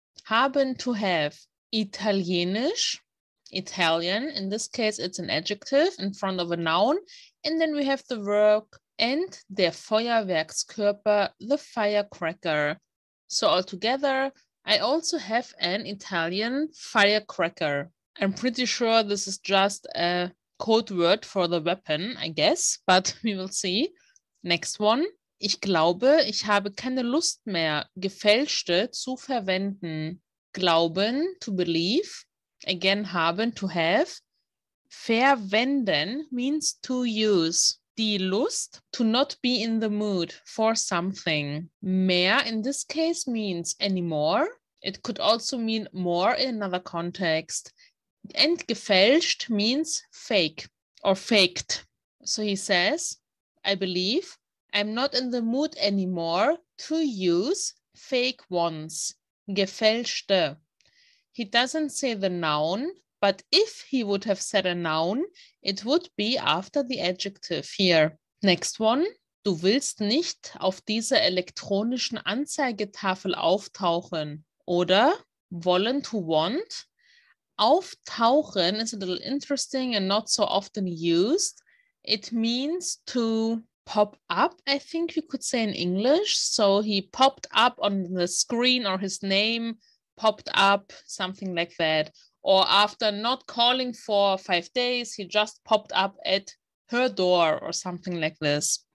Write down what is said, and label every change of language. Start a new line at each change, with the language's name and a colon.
English: Haben to have. Italienisch. Italian, in this case it's an adjective in front of a noun, and then we have the verb and der Feuerwerkskörper, the firecracker. So altogether, I also have an Italian firecracker. I'm pretty sure this is just a code word for the weapon, I guess, but we will see. Next one.
German: Ich glaube, ich habe keine Lust mehr, gefälschte zu verwenden.
English: Glauben, to believe. Again, haben, to have. Verwenden means to use. Die Lust, to not be in the mood for something. Mehr in this case means anymore. It could also mean more in another context. And gefälscht means fake or faked. So he says, I believe I'm not in the mood anymore to use fake ones. Gefälschte. He doesn't say the noun, but if he would have said a noun, it would be after the adjective here. Next one.
German: Du willst nicht auf dieser elektronischen Anzeigetafel auftauchen.
English: Oder wollen to want. Auftauchen is a little interesting and not so often used. It means to pop up, I think we could say in English. So he popped up on the screen or his name. Popped up, something like that. Or after not calling for 5 days, he just popped up at her door or something like this.